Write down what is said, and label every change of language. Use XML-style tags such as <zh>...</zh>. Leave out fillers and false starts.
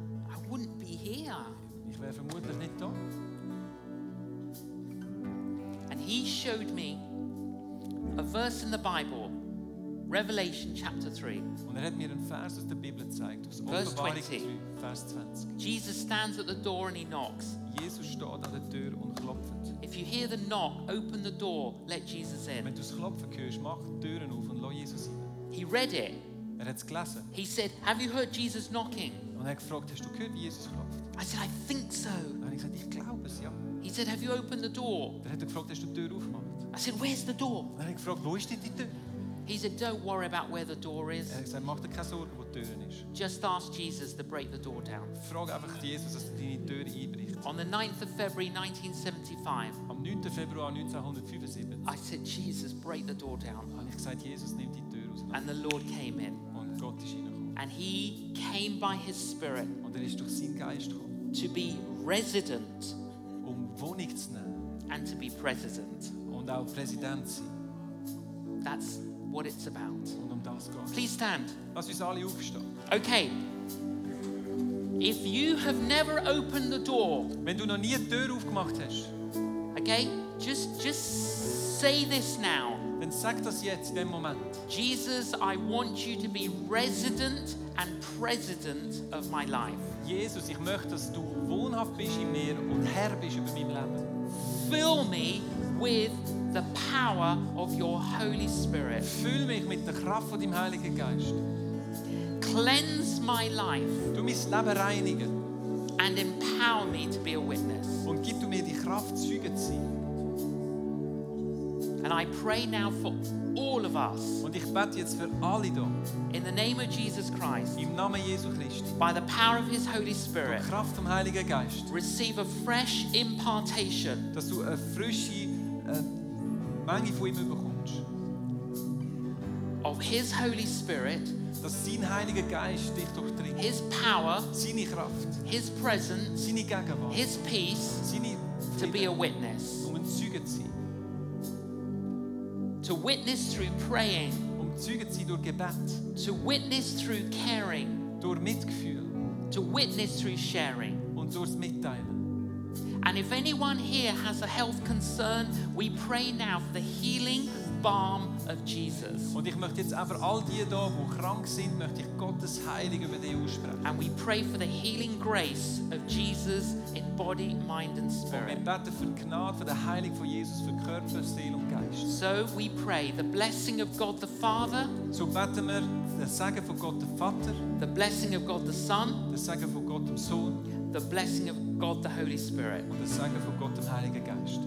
<en>I wouldn't be here.</en> <de>Ich wär vermutlich nicht da.</de> <en>And he showed me a verse in the Bible, Revelation chapter 3.</en> <de>Und hat mir einen Vers aus der Bibel gezeigt, aus Offenbarung 3, Vers 20.</de> <en>Jesus stands at the door and he knocks.</en> <de>Jesus steht an der Tür und klopft.</de> <en>If you hear the knock, open the door, let Jesus in.</en> <de>Wenn du das Klopfen hörst, mach die Türen auf und lass Jesus rein.</de> <en>He read it.</en> <de>Er hat es gelesen.</de> <en>He said, "Have you heard Jesus knocking?"</en> <de>Und er hat gefragt, hast du gehört, wie Jesus klopft?</de> <en>I said, "I think so."</en> <de>Und ich sagte, ich glaube es, ja.</de> <en>He said, "Have you opened the door?"</en> <de>Er hat gefragt, hast du die Tür aufgemacht?</de> <en>I said, "Where's the door?"</en> <de>Und er hat gefragt, wo ist denn die Tür?</de> <en>He said, "Don't worry about where the door is."</en> <de>Er hat gesagt, mach dir keine Sorgen, wo die Tür ist.</de> <en>Just ask Jesus to break the door down.</en> <de>Frag einfach Jesus, dass er deine Tür einbricht.</de> <en>On the 9th of February 1975.</en> <de>Am 9. Februar 1975.</de> <en>I said, "Jesus, break the door down."</en> <de>Und ich gesagt, Jesus, nimm die Tür aus.</de> <en>And the Lord came in.</en> <de>Gott ist hineingekommen.</de> <en>And he came by his spirit.</en> <de>Und er ist durch seinen Geist gekommen.</de> <en>To be resident.</en> <de>Um Wohnung zu nehmen.</de> <en>And to be president.</en> <de>Und auch Präsident sein.</de> <en>That's what it's about.</en> <de>Und um das geht's.</de> <en>Please stand.</en> <de>Lass uns alle aufstehen.</de> <en>Okay. If you have never opened the door,</en> <de>wenn du noch nie die Tür aufgemacht hast,</de> <en>okay, just say this now.</en> <de>Dann sag das jetzt in dem Moment.</de> <en>Jesus, I want you to be resident and president of my life.</en> <de>Jesus, ich möchte, dass du wohnhaft bist in mir und Herr bist über meinem Leben.</de> <en>Fill me with the power of your Holy Spirit.</en> <de>Füll mich mit der Kraft von deinem Heiligen Geist.</de> <en>Cleanse my life.</en> <de>Du mein Leben reinigen.</de> <en>And empower me to be a witness.</en> <de>Und gib du mir die Kraft, Zeugen zu sein.</de> <en>And I pray now for all of us.</en> <de>Und ich bete jetzt für alle da.</de> <en>In the name of Jesus Christ.</en> <de>Im Namen Jesu Christi.</de> <en>By the power of His Holy Spirit.</en> <de>Durch Kraft vom Heiligen Geist.</de> <en>Receive a fresh impartation.</en> <de>Dass du eine frische Menge von ihm bekommst.</de> <en>Of His Holy Spirit.</en> <de>Dass sein Heiliger Geist dich durchdringt.</de> <en>His power.</en> <de>Seine Kraft.</de> <en>His presence.</en> <de>Seine Gegenwart.</de> <en>His peace.</en> <de>Seine</de> <en>to be a witness.</en> <de>Um ein Zeuge zu sein.</de> <en>To witness through praying.</en> <de>Um Zeuge zu sein durch Gebet.</de> <en>To witness through caring.</en> <de>Durch Mitgefühl.</de> <en>To witness through sharing.</en> <de>Und durchs Mitteilen.</de> <en>And if anyone here has a health concern, we pray now for the healing balm of Jesus.</en> <de>Und ich möchte jetzt einfach all die da, wo krank sind, möchte ich Gottes Heilung über dich aussprechen.</de> <en>And we pray for the healing grace of Jesus in body, mind and spirit.</en> <de>Und wir beten für die Gnade, für die Heilung von Jesus für Körper, Seele und Geist.</de> <en>So we pray the blessing of God the Father.</en> <de>So beten wir den Segen von Gott dem Vater.</de> <en>The blessing of God the Son.</en> <de>Den Segen von Gott dem Sohn.</de> <en>The blessing of God the Holy Spirit.</en> <de>Und den Segen von Gott dem Heiligen Geist.</de>